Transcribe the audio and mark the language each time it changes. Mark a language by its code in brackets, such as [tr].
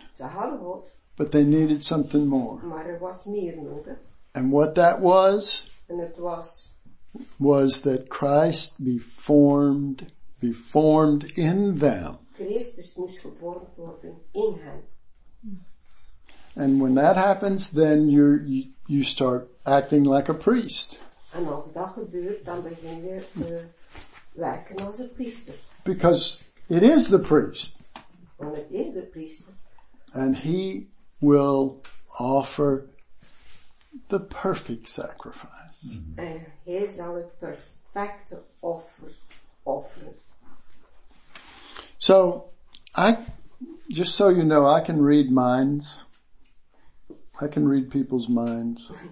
[nl] Ze hadden God. [en] But they needed something more. [nl] Maar er was meer nodig. [en] And what that was? [nl] En het was. [en] Was that Christ be formed in them. [nl] Christus moest gevormd worden in hen. [en] And when that happens, then you start acting like a priest. [nl] En als dat gebeurt, dan begin je te werken als een priester. [en] Because it is the priest. [nl] Want het is de priester. [en] And he will offer the perfect sacrifice. [nl] En hij zal het perfecte offer offeren. [en] So, just so you know, I can read minds. I can read people's minds.